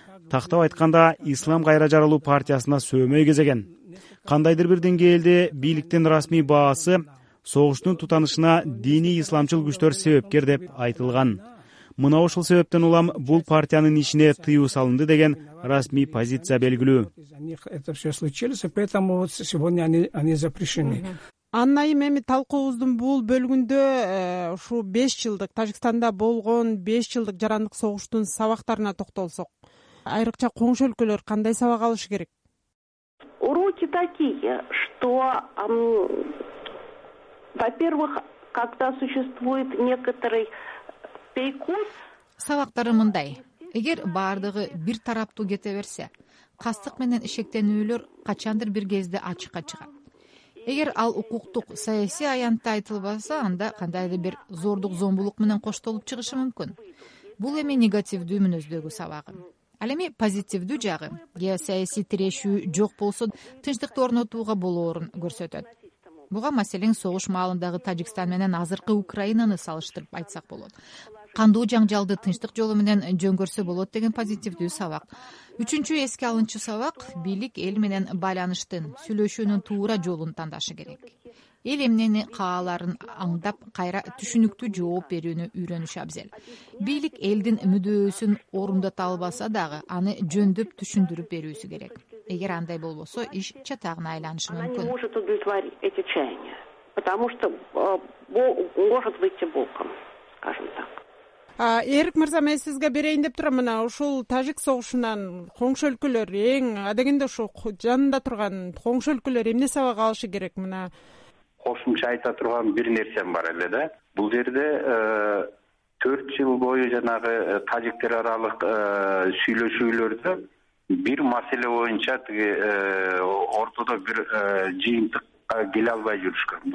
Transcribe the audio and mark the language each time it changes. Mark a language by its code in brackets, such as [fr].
[ky] Тактап айтканда, Ислам кайра жаралуу партиясына сөөмөй кезеген. Кандайдыр бир деңгээлде бийликтин расмий баасы согуштун тутанышына диний исламчыл күчтөр себепкер деп айтылган. Мына ушул себептен улам бул партиянын ишине тыюу салынды деген расмий позиция белгилүү. [ru] Это всё случилось, поэтому вот сегодня они запрещены. [ky] Аннайым эми талкуубуздун бул бөлүгүндө ушу 5 жылдык Тажикстанда болгон 5 жылдык жарандык согуштун сабактарына токтолсок, айрыкча коңшу өлкөлөр кандай сабак алышы керек? [ru] Уроки такие, что во-первых, когда существует некоторый перекос. [ky] Сабактары мындай. Эгер баардыгы бир тараптуу кете берсе, кастык менен ишектенүүлөр качандыр бир кезде ачыкка чыгат. Эгер ал укуктук саясий аянтта айтылбаса, анда кандайдыр бир зордук зомбулук менен коштолуп чыгышы мүмкүн. Бул эми негативдүү мүнөздөгү сабагы. Ал эми позитивдүү жагы, геосаясий тирешүү жок болсо, тынчтыкты орнотууга болоорун көрсөтөт. Буга маселен согуш маалындагы Тажикстан менен азыркы Украинаны салыштырып айтсак болот. Кандуу жаңжалды тынчтык жолу менен жөнгөрсө болот деген позитивдүү сабак. Үчүнчү эске алынчу сабак, бийлик эл менен байланыштын, сүйлөшүүнүн туура жолун тандашы керек. Эл эмнени кааларын аңдап, кайра түшүнүктүү жооп берүүнү үйрөнүш абзел. Бийлик элдин мүдөөсүн орундата албаса дагы, аны жөндөп түшүндүрүп берүүсү керек. Эгер андай болбосо, иш чатагына айланышы мүмкүн. [ru] Она не может удовлетворить эти чаяния, потому что может выйти боком, скажем так. [ky] Эрик мырза, мен сизге берейин деп турам, мына ушул тажик согушунан коңшу өлкөлөр эң адегенде ушул жанында турган коңшу өлкөлөр эмне сабак алышы керек? Мына кошумча айта турган бир нерсем бар эле да. Бул жерде 4 жыл бою жанагы тажиктер аралык сүйлөшүүлөрдө бир маселе боюнча тиги ортодо бир жыйынтыкка келе албай жүрүшкөн.